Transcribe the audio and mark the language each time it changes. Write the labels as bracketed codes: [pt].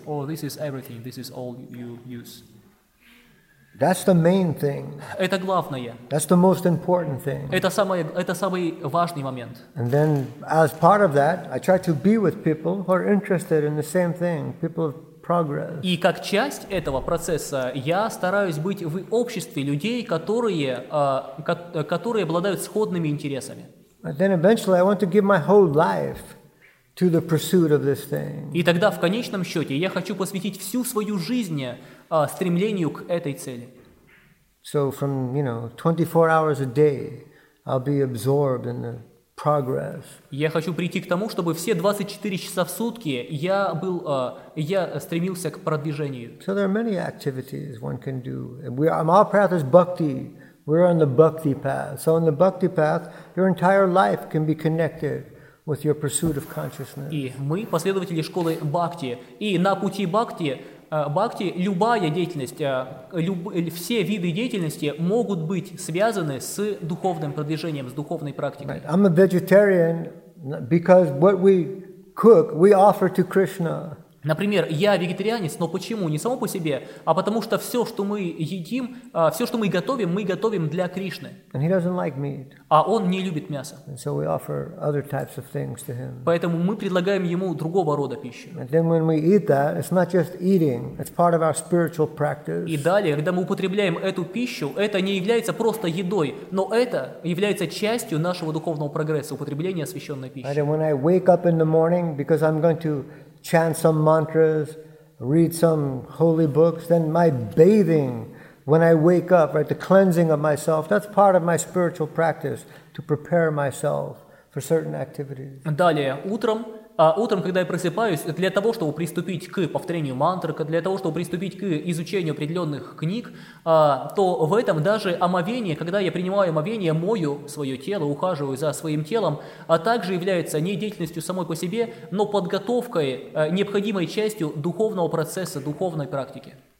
[en] Or this is everything, this is all you use? That's the main thing. [ru] Это главное. [en] That's the most important thing. [ru] Это самый важный момент. [en] And then, as part of that, I try to be with people who are interested in the same thing. People of progress. [ru] И как часть этого процесса я стараюсь быть в обществе людей, которые обладают сходными интересами. [en] And then eventually I want to give my whole life to the pursuit of this thing. [ru] И тогда в конечном счете я хочу посвятить всю свою жизнь стремлению к этой цели. [en] So from, you know, 24 hours a day I'll be absorbed in the progress. [ru] Я хочу прийти к тому, чтобы все 24 часа в сутки я стремился к продвижению. [en] So there are many activities one can do. Our path is bhakti. We're on the bhakti path. So on the bhakti path, your entire life can be connected with your pursuit of consciousness. [ru] И мы последователи школы бхакти. И на пути бхакти любая деятельность, все виды деятельности могут быть связаны с духовным продвижением, с духовной практикой. [en] Right. I'm a vegetarian because what we cook, we offer to Krishna. [ru] Например, я вегетарианец, но почему? Не само по себе, а потому что все, что мы едим, все, что мы готовим для Кришны. [en] And he doesn't like meat. [ru] А он не любит мясо. [en] And so we offer other types of things to him. [ru] Поэтому мы предлагаем ему другого рода пищу. [en] And then when we eat that, it's not just eating, it's part of our spiritual practice. [ru] И далее, когда мы употребляем эту пищу, это не является просто едой, но это является частью нашего духовного прогресса, употребления освященной пищи. [en] And when I wake up in the morning, because I'm going to chant some mantras, read some holy books, then my bathing when I wake up, right, the cleansing of myself, that's part of my spiritual practice to prepare myself for certain activities. [ru] Далее, утром, когда я просыпаюсь, для того, чтобы приступить к повторению мантр, для того, чтобы приступить к изучению определенных книг, то в этом даже омовение, когда я принимаю омовение, мою свое тело, ухаживаю за своим телом, а также является не деятельностью самой по себе, но подготовкой, необходимой частью духовного процесса, духовной практики.